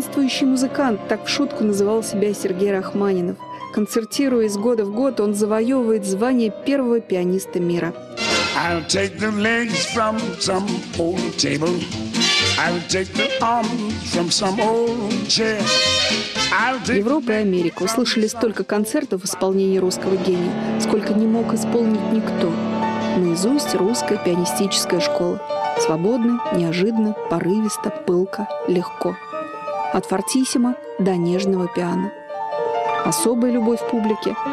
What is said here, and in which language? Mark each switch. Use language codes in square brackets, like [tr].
[ru] «Начинающий музыкант» — так в шутку называл себя Сергей Рахманинов. Концертируя из года в год, он завоевывает звание первого пианиста мира. [en] I'll take the legs from some old table. I'll take the arms from some old chair. [ru] Европа и Америка услышали столько концертов в исполнении русского гения, сколько не мог исполнить никто. Наизусть русская пианистическая школа. Свободно, неожиданно, порывисто, пылко, легко. От фортиссимо до нежного пиано. Особая любовь публики.